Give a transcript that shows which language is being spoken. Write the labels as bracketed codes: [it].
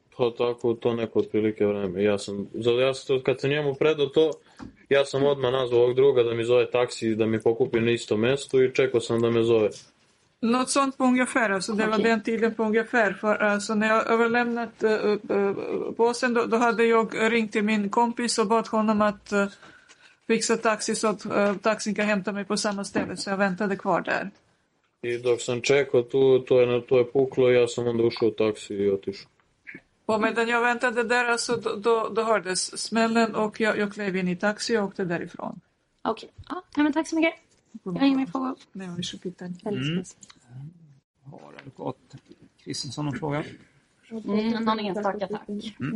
[sr] Pa tako, to neko otprilike vreme. Ja sam, kad se njemu predao to, ja sam odmah nazvao ovog druga da mi zove taksi, da mi pokupi na isto mesto i čekao sam da me zove. [sv] Något sånt på ungefär, alltså det var den tiden på ungefär. För alltså, när jag överlämnat påsen, då hade jag ringt till min kompis och bad honom att fixa taxi så att taxin kan hämta mig på samma ställe. Så jag väntade kvar där. [sr] I dok sam čekao, to je puklo, ja sam onda ušao u taksi i otišao. [sv] Och medan jag väntade där så då hördes smällen och jag klev in i taxi och åkte därifrån. Okej, okay. Ja, men tack så mycket. Jag ringer mig på gång. Nej, vi ska byta en. Har du gått? Kristensson, någon fråga? Någon enstaka, tack. Mm.